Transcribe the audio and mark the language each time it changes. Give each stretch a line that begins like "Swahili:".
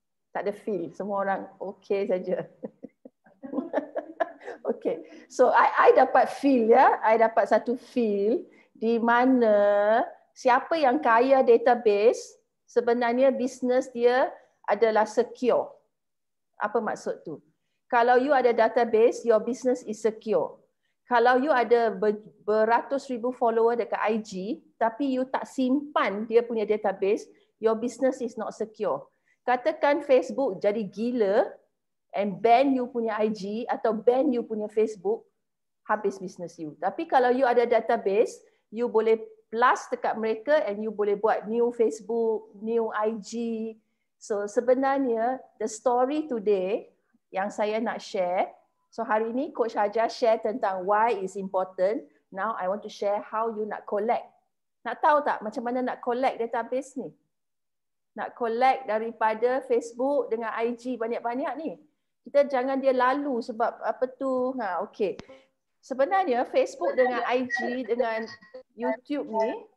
Malay: Tak ada feel. Semua orang okay saja. Okay. So I dapat feel ya. I dapat satu feel di mana siapa yang kaya database sebenarnya business dia adalah secure. Apa maksud tu? Kalau you ada database,
English: your business is secure.
Malay: Kalau you ada beratus ribu follower dekat IG tapi you tak simpan dia punya database,
English: your business is not secure.
Malay: Katakan Facebook jadi gila and ban you punya IG atau ban you punya Facebook, habis business you. Tapi kalau you ada database, you boleh plus dekat mereka and you boleh buat
English: new Facebook, new IG.
Malay: So sebenarnya
English: the story today
Malay: yang saya nak share. So hari ini Coach Hajar share tentang
English: why is important. Now I want to share how you
Malay: nak collect. Nak tahu tak macam mana nak collect database ni? Nak collect daripada Facebook dengan IG banyak-banyak ni. Kita jangan dia lalu sebab apa tu. Ha, okay. Sebenarnya Facebook dengan IG dengan YouTube ni.